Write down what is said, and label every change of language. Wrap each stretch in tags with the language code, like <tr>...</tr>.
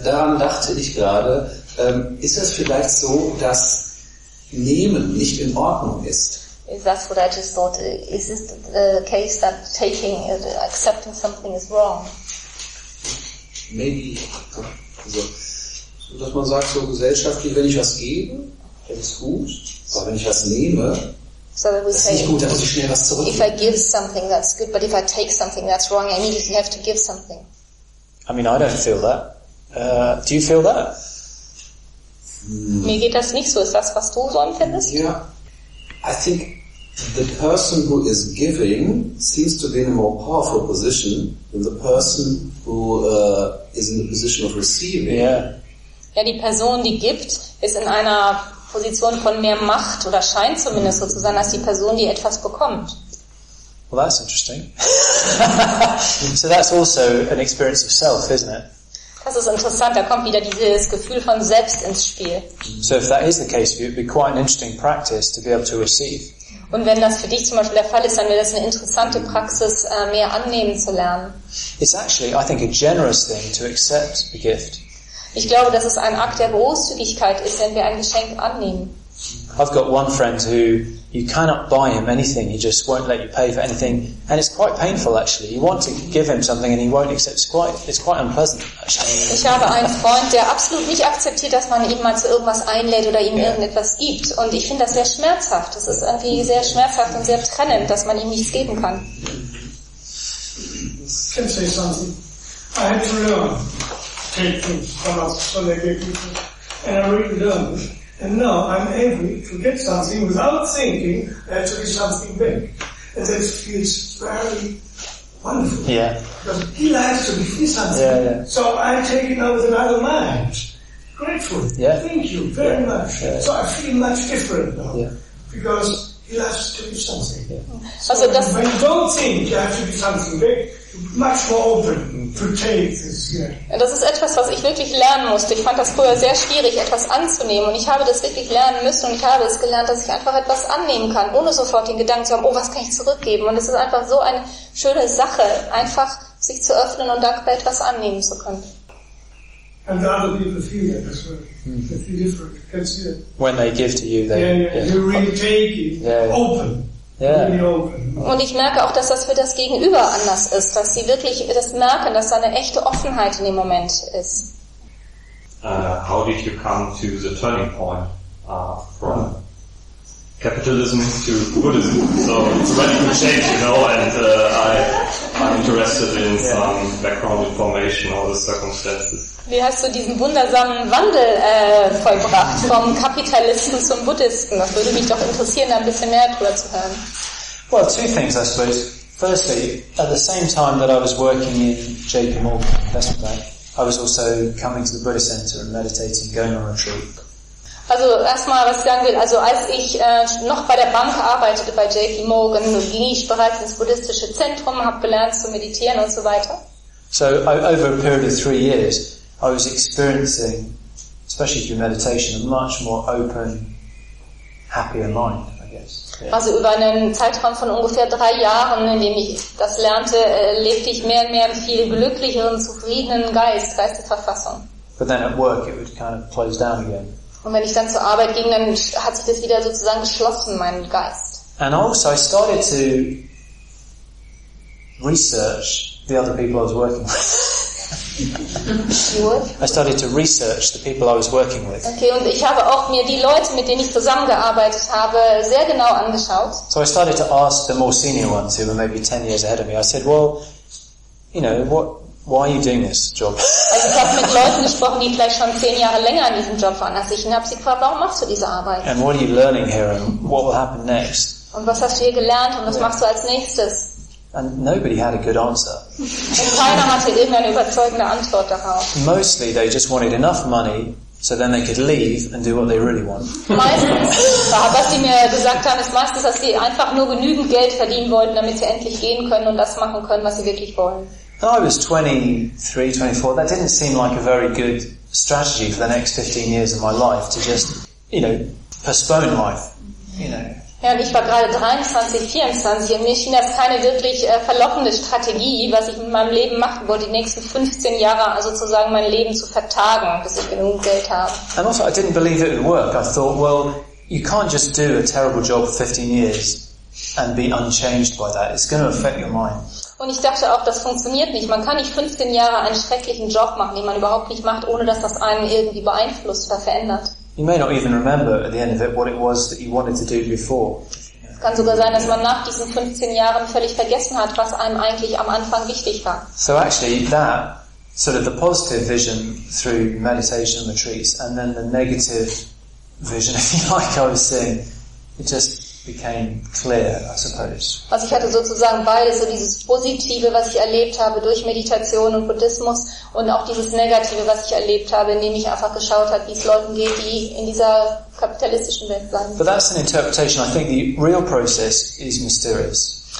<de>Daran dachte ich gerade, ist es vielleicht so, dass nehmen nicht in Ordnung ist?</de> <en>Is that what I just thought? Is it the case that taking, accepting something is wrong? Maybe.</en> <de>Also, dass man sagt, so gesellschaftlich, wenn ich was gebe, dann ist gut. Aber wenn ich was nehme,</de> <en>so that we ist say,</en> <de>nicht gut, dann muss ich schnell was zurückgeben.</de> <en>If I give something, that's good. But if I take something, that's wrong. I immediately have to give something. I mean, I don't feel that. Do you feel that?</en> <de>Mir geht das nicht so. Ist das, was du so empfindest? Ja.</de> <en>I think the person who is giving seems to be in a more powerful position than the person who is in the position of receiving. Yeah.</en> <de>Ja, die Person, die gibt, ist in einer Position von mehr Macht oder scheint zumindest so zu sein, als die Person, die etwas bekommt.</de> <en>Well, that's interesting. So that's also an experience of self, isn't it?</en> <de>Das ist interessant, da kommt wieder dieses Gefühl von Selbst ins Spiel.</de> <en>So if that is the case, it would be quite an interesting practice to be able to receive.</en> <de>Und wenn das für dich zum Beispiel der Fall ist, dann wäre das eine interessante Praxis, mehr annehmen zu lernen.</de> <en>It's actually, I think, a generous thing to accept a gift.</en> <de>Ich glaube, dass es ein Akt der Großzügigkeit ist, wenn wir ein Geschenk annehmen.</de> <en>I've got one friend who you cannot buy him anything, he just won't let you pay for anything, and it's quite painful actually. You want to give him something and he won't accept, it's quite unpleasant actually.</en> <de>Ich habe einen Freund, der absolut nicht akzeptiert, dass man ihn mal zu irgendwas einlädt oder ihm irgendetwas gibt, und ich finde das sehr schmerzhaft. Das ist irgendwie sehr schmerzhaft und sehr trennend, dass man ihm nichts geben kann.</de> <en>Can I say something? I had to learn taking from other people, and I really learned. And now I'm able to get something without thinking that there is something big. And that feels very wonderful. Yeah. Because he likes to give me something. Yeah, yeah. So I take it now with another mind. Grateful. Yeah. Thank you very much. Yeah. So I feel much different now. Yeah. Because he likes to give something. Yeah. So also that's when you don't think you have to be something big, much more open to take this, yeah.</en> <de>Das ist etwas, was ich wirklich lernen musste. Ich fand das früher sehr schwierig, etwas anzunehmen. Und ich habe das wirklich lernen müssen. Und ich habe es gelernt, dass ich einfach etwas annehmen kann, ohne sofort den Gedanken zu haben, oh, was kann ich zurückgeben? Und es ist einfach so eine schöne Sache, einfach sich zu öffnen und dankbar etwas annehmen zu können.</de> <en>And the other people feel that as well. Mm-hmm. When they give to you, they... Yeah. You really take it, open. Yeah.</en> <de>Und ich merke auch, dass das für das Gegenüber anders ist, dass sie wirklich das merken, dass da eine echte Offenheit in dem Moment ist.</de> <en>How did you come to the turning point from capitalism to Buddhism? So it's a radical change, you know, and I'm interested in some background information or the circumstances.</en> <de>Wie hast du diesen wundersamen Wandel vollbracht vom Kapitalismus zum Buddhisten? Das würde mich doch interessieren, da ein bisschen mehr drüber zu hören.</de> <en>Well, two things, I suppose. Firstly, at the same time that I was working in J.P. Morgan Investment Bank, I was also coming to the Buddhist Center and meditating, going on a retreat.</en> <de>Also erstmal, was ich sagen will, also als ich noch bei der Bank arbeitete, bei JP Morgan, ging ich bereits ins buddhistische Zentrum, habe gelernt zu meditieren und so weiter.</de> <en>So over a period of 3 years, I was experiencing, especially through meditation, a much more open, happier mind, I guess. Yeah.</en> <de>Also über einen Zeitraum von ungefähr 3 Jahren, in dem ich das lernte, lebte ich mehr und mehr im viel glücklicheren, zufriedenen Geist, Geistesverfassung.</de> <en>But then at work it would kind of close down again.</en> <de>Und wenn ich dann zur Arbeit ging, dann hat sich das wieder sozusagen geschlossen, mein Geist.</de> <en>And also I started to research the other people I was working with. I started to research the people I was working with.</en> <de>Okay, und ich habe auch mir die Leute, mit denen ich zusammengearbeitet habe, sehr genau angeschaut.</de> <en>So I started to ask the more senior ones who were maybe 10 years ahead of me. I said, well, you know, what... Why are you doing this job?</en> <de>Also ich habe mit Leuten gesprochen, die vielleicht schon 10 Jahre länger an diesem Job waren als ich, und habe sie gefragt, warum machst du diese Arbeit?</de> <en>And what are you learning here, and what will happen next?</en> <de>Und was hast du hier gelernt, und was machst du als nächstes?</de> <en>And nobody had a good answer.</en> <de>Und keiner hatte irgendeine überzeugende Antwort darauf.</de> <en>Mostly they just wanted enough money, so then they could leave and do what they really want.</en> <de>Meistens, was sie mir gesagt haben, ist meistens, dass sie einfach nur genügend Geld verdienen wollten, damit sie endlich gehen können und das machen können, was sie wirklich wollen.</de> <en>And I was 23, 24. That didn't seem like a very good strategy for the next 15 years of my life to just, you know, postpone life, you know.</en> <de>Ja, und ich war gerade 23, 24 und mir schien das keine wirklich verlockende Strategie, was ich mit meinem Leben machen wollte, die nächsten 15 Jahre sozusagen mein Leben zu vertagen, bis ich genug Geld habe.</de> <en>And also, I didn't believe it would work. I thought, well, you can't just do a terrible job for 15 years and be unchanged by that. It's going to affect your mind.</en> <de>Und ich dachte auch, das funktioniert nicht. Man kann nicht 15 Jahre einen schrecklichen Job machen, den man überhaupt nicht macht, ohne dass das einen irgendwie beeinflusst oder verändert.</de> <en>You may not even remember at the end of it what it was that you wanted to do before.</en> <de>Es kann sogar sein, dass man nach diesen 15 Jahren völlig vergessen hat, was einem eigentlich am Anfang wichtig war.</de> <en>So actually that, sort of the positive vision through meditation retreats and then the negative vision, if you like, I was saying, it just became clear, I suppose.</en> <de>Also ich hatte sozusagen beides, so dieses Positive, was ich erlebt habe durch Meditation und Buddhismus, und auch dieses Negative, was ich erlebt habe, indem ich einfach geschaut habe, wie es Leuten geht, die in dieser kapitalistischen Welt bleiben.</de> <en>But that's an interpretation. I think the real process is mysterious.</en>